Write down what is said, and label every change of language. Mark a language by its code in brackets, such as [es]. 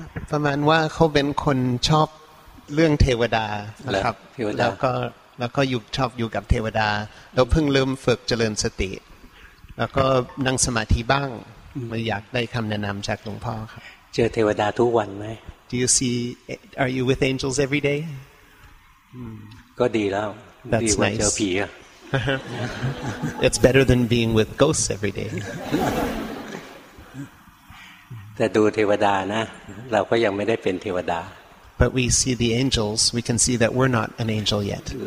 [th] ประมาณว่าเขาเป็นคนชอบเรื่องเทวดาครับ แล้วก็ อยู่ชอบอยู่กับเทวดาแล้วเพิ่งเริ่มฝึกเจริญสติแล้วก็นั่งสมาธิบ้างไม่อยากได้คำแนะนำจากหลวงพ่อครับ เจอเทวดาทุกวันไหม [en] Do you see Are you with angels every day [th] ก็ดีแล้ว [en] That's nice [th] เจอผีอ่ะ [en] It's better than being with ghosts every day [th] แต่ดูเทวดานะเราก็ยังไม่ได้เป็นเทวดา [en] But we see the angels, we can see that we're not an angel yet.